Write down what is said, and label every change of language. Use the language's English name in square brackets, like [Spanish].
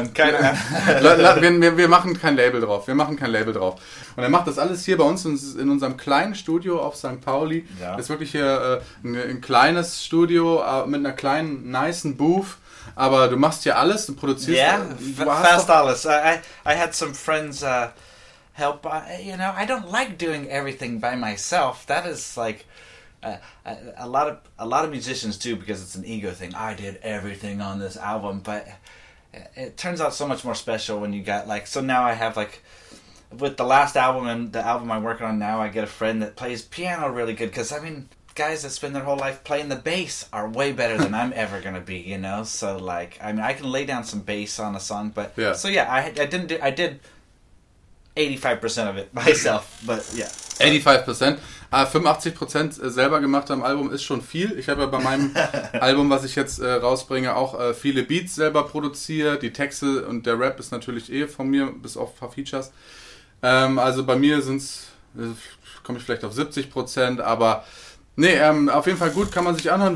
[German] Wir machen kein Label drauf. Wir machen kein Label drauf. Und er macht das alles hier bei uns in unserem kleinen Studio auf St. Pauli. Ja. Ist wirklich hier ein kleines Studio mit einer kleinen, nicen Booth. Aber du machst hier alles und produzierst. [English] Yeah, fast alles. I had some friends help. You know, I don't like doing everything by myself. That is like... A lot of musicians do because it's an ego thing. I did everything on this album, but it turns out so much more special when you got like. So now I have like, with the last album and the album I'm working on now, I get a friend that plays piano really good. Because I mean, guys that spend their whole life playing the bass are way better than I'm ever gonna be. You know, so like, I mean, I can lay down some bass on a song, but yeah. So yeah, I did 85% of it myself, but yeah. 85%. [German] 85% selber gemacht am Album ist schon viel. Ich habe ja bei meinem Album, was ich jetzt rausbringe, auch viele Beats selber produziert. Die Texte und der Rap ist natürlich eh von mir, bis auf ein paar Features. Also bei mir komme ich vielleicht auf 70%, aber nee, auf jeden Fall gut, kann man sich anhören.